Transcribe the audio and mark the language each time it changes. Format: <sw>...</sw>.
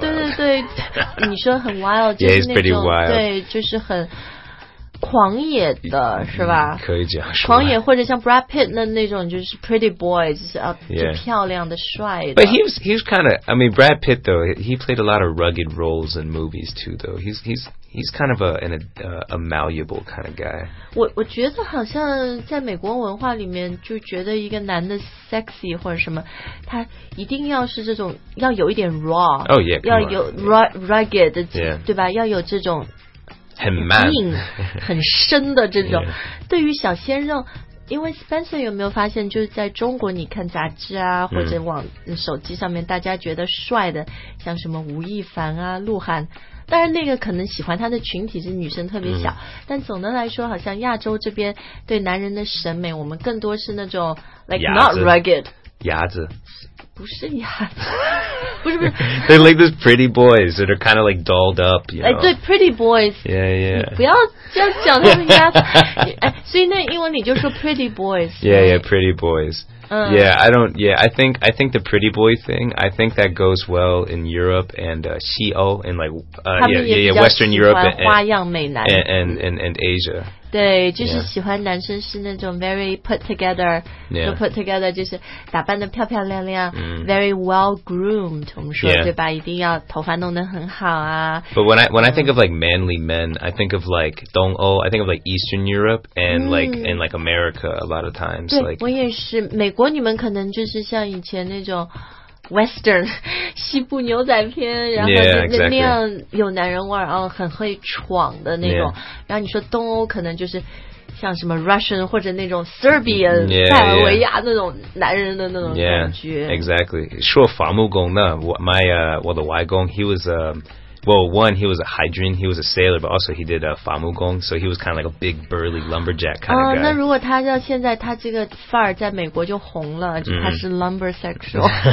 <zh>对对对，你说很 wild， 就是那种</zh> <en>yeah， he's pretty wild。</en> <zh>对，就是很狂野的，是吧？可以这样说，狂野或者像 Brad Pitt 那种就是 pretty boy， 就是漂亮的帅的。</zh> <en>But he was kind of， I mean Brad Pitt though， he played a lot of rugged roles in movies too though， he's kind of a malleable kind of guy。</en> <zh>我觉得好像在美国文化里面就觉得一个男的 sexy 或者什么他一定要是这种要有一点 raw，</zh> <en>oh yeah，</en> <zh>要有 rugged，</zh> <en>yeah，</en> <zh>对吧？要有这种很 man 很深的这种，</zh> <en>yeah。</en> <zh>对于小鲜肉因为 Spencer 有没有发现，就是在中国，你看杂志啊，或者往手机上面，大家觉得帅的，像什么吴亦凡啊、鹿晗，当然那个可能喜欢他的群体是女生特别小，但总的来说，好像亚洲这边对男人的审美，我们更多是那种</zh> <en>like not rugged，</en> <zh>牙子。不是呀，不是不是。</zh> <en>They like those pretty boys that are kind of like dolled up, you know.</en> <zh>哎，对 ，pretty boys.</zh> <en>Yeah, yeah.</en> <zh>不要这样讲他们家。哎，所以那英文里就说 pretty boys.</zh> <en>Yeah, yeah, pretty boys. Yeah, I don't. Yeah, I think the pretty boy thing. I think that goes well in Europe and Seoul and like Western Europe and</en> <zh>花样美男</zh> <en>and Asia.</en> <zh>对，就是喜欢男生是那种</zh> <en>very put together. Yeah.</en> <zh>So put together 就是打扮的漂漂亮亮、</zh> <en>very well groomed.</en> <zh>我们说、</zh> <en>yeah.</en> <zh>对吧？一定要头发弄得很好啊。</zh> <en>But when I think of like manly men, I think of like</en> <zh>东欧</zh> <en>I think of like Eastern Europe and like in like America a lot of times.</en> <zh>对，</zh> <en>like,</en> <zh>我也是美国你们可能就是像以前那种 Western 西部牛仔片然后</zh> <en>yeah,、exactly.</en> <zh>那样有男人味然后很会闯的那种、</zh> <en>yeah.</en> <zh>然后你说东欧可能就是像什么 Russian 或者那种 Serbian 塞、</zh> <en>yeah,</en> <zh>尔、</zh> <en>yeah.</en> <zh>维亚那种男人的那种感觉、</zh> <en>yeah, exactly</en> <zh>说伐木工呢 我的外公</zh> <en>he was a、well, one, he was a hydrant, he was a sailor, but also he did a 伐木工, so he was kind of like a big, burly lumberjack kind of guy.</en> <zh>那如果他要现在他这个范儿在美国就红了，就他是 lumbersexual.</zh>